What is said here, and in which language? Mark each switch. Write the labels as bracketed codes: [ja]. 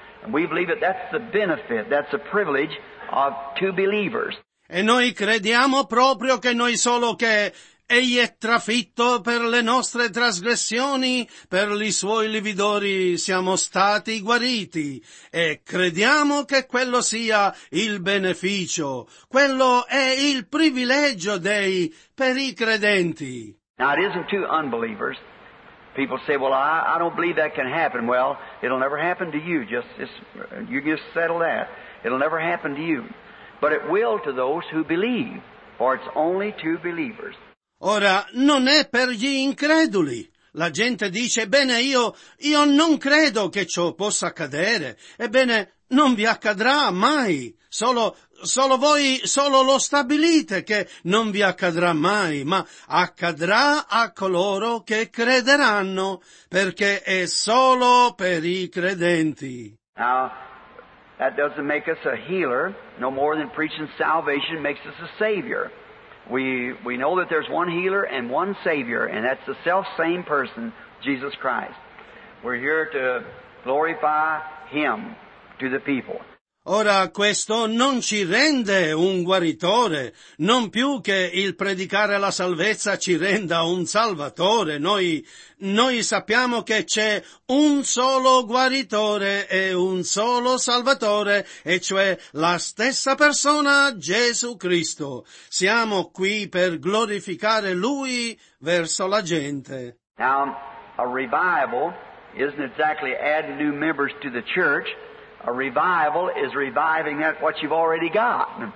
[en] And we believe that that's the benefit, that's the privilege of two believers. [it] E noi crediamo proprio che noi solo che egli è trafitto per le nostre trasgressioni, per i suoi lividori siamo stati guariti. E crediamo che quello sia il beneficio. Quello è il privilegio dei per i credenti. [en] Now it isn't to unbelievers. People say, well, I don't believe that can happen. Well, it'll never happen to you. You just settle that. It'll never happen to you. But it will to those who believe. For it's only to believers. [it] Ora, non è per gli increduli. La gente dice, bene, io non credo che ciò possa accadere. Ebbene, non vi accadrà mai. Solo voi lo stabilite che non vi accadrà mai, ma accadrà a coloro che crederanno, perché è solo per i credenti. [en] Now, that doesn't make us a healer, no more than preaching salvation makes us a savior. We know that there's one healer and one savior, and that's the self-same person, Jesus Christ. We're here to glorify him to the people. [it] Ora, questo non ci rende un guaritore, non più che il predicare la salvezza ci renda un salvatore. Noi sappiamo che c'è un solo guaritore e un solo salvatore, e cioè la stessa persona, Gesù Cristo. Siamo qui per glorificare Lui verso la gente. [en] Now, a revival isn't exactly adding new members to the church. A revival is reviving that what you've already got.